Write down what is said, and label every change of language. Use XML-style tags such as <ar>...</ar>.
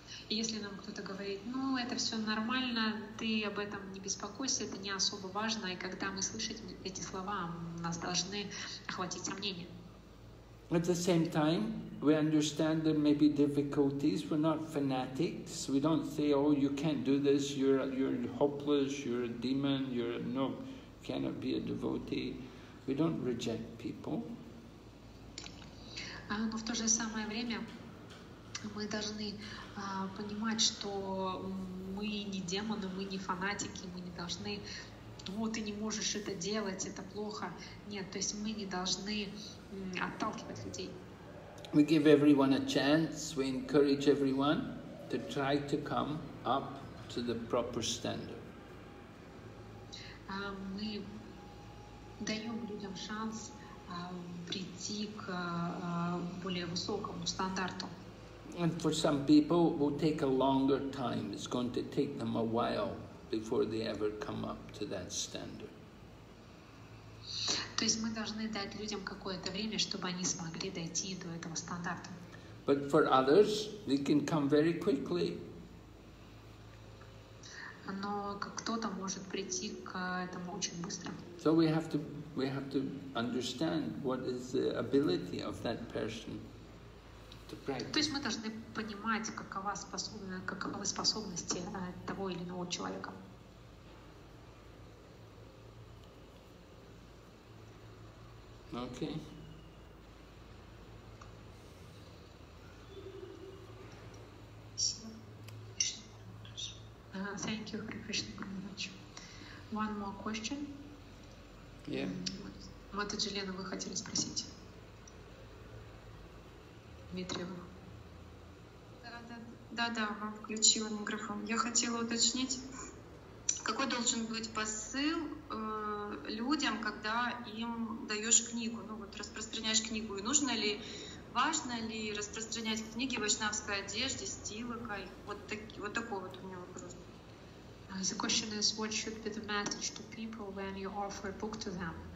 <ru>Если нам кто-то говорит, ну, это все нормально, ты об этом не беспокойся, это не особо важно, и когда мы слышим эти слова, нас должны охватить сомнения.</ru> <en>At the same time, we understand there may be difficulties. We're not fanatics. We don't say, oh, you can't do this, you're hopeless, you're a demon, you're a no, cannot be a devotee. We don't reject people.</en> <ru>Но в то же самое время мы должны понимать, что мы не демоны, мы не фанатики, мы не должны, ну, ты не можешь это делать, это плохо. Нет, то есть мы не должны отталкивать людей.</ru> <en>We give everyone a chance, we encourage everyone to try to come up to the proper standard.</en> <ru>Мы даем людям шанс прийти к более высокому стандарту.</ru> <en>And for some people it will take a longer time. It's going to take them a while before they ever come up to that standard.</en> <ru>То есть мы должны дать людям какое-то время, чтобы они смогли дойти до этого стандарта.</ru> <en>But for others, they can come very quickly.</en> <ru>Но кто-то может прийти к этому очень быстро.</ru> <en>So we have to understand what is the ability of that person to practice.</en> <ru>То есть мы должны понимать, каковы способности того или иного человека.</ru> <en>Okay. Thank you, Hare Krishna Guru Maharaj. One more question. Yeah.</en> <ru>Матаджи Лена, вы хотели спросить? Дмитриева. Да, вам включила микрофон. Я хотела уточнить, какой должен быть посыл людям, когда им даешь книгу, ну вот распространяешь книгу, и нужно ли, важно ли распространять книги в вайшнавской одежде, стилакой, вот такой вот у меня вопрос.</ru> <en>The question is, what should be the message to people when you offer a book to them?</en>